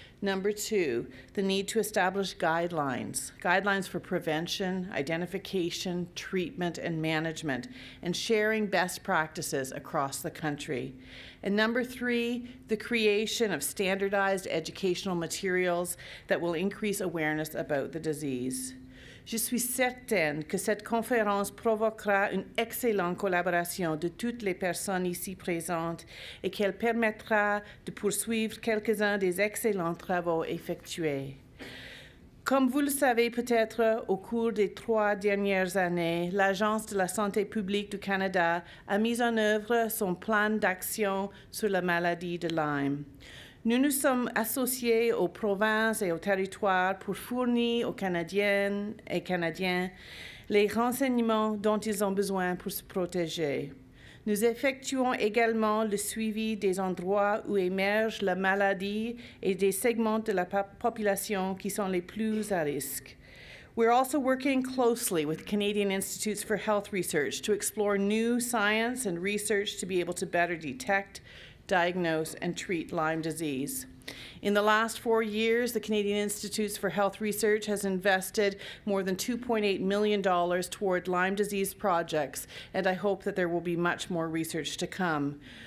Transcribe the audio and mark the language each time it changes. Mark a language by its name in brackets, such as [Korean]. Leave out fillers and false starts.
[English] Number two, the need to establish guidelines for prevention, identification, treatment, and management, and sharing best practices across the country. And number three, the creation of standardized educational materials that will increase awareness about the disease. [French] Je suis certaine que cette conférence provoquera une excellente collaboration de toutes les personnes ici présentes et qu'elle permettra de poursuivre quelques-uns des excellents travaux effectués. Comme vous le savez peut-être, au cours des trois dernières années, l'Agence de la santé publique du Canada a mis en œuvre son plan d'action sur la maladie de Lyme. Nous nous sommes associés aux provinces et aux territoires pour fournir aux Canadiennes et Canadiens les renseignements dont ils ont besoin pour se protéger. Nous effectuons également le suivi des endroits où émerge la maladie et des segments de la population qui sont les plus à risque. [English] We're also working closely with Canadian Institutes for Health Research to explore new science and research to be able to better detect, diagnose, and treat Lyme disease. In the last 4 years, the Canadian Institutes for Health Research has invested more than $2.8 million toward Lyme disease projects, and I hope that there will be much more research to come.